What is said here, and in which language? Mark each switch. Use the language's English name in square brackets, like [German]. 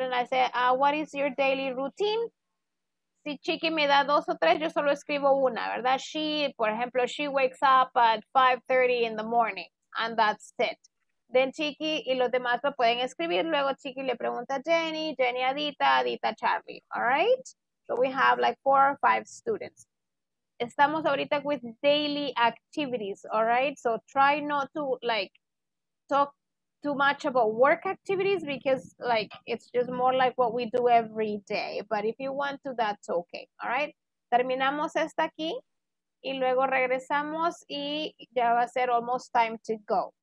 [English] And I say, what is your daily routine? [Spanish] Si Chiqui me da dos o tres, yo solo escribo una, ¿verdad? [English] She, [Spanish] por ejemplo, [English] she wakes up at 5:30 in the morning, and that's it. [Spanish] Then Chiqui y los demás lo pueden escribir. Luego Chiqui le pregunta a Jenny, Jenny Adita, Adita Charlie. All right? [English] So we have like four or five students. [Spanish] Estamos ahorita [English] with daily activities. All right? So try not to like talk too much about work activities because like it's just more like what we do every day. But if you want to, that's okay. All right? [Spanish] Terminamos esta aquí y luego regresamos y ya va a ser [English] almost time to go.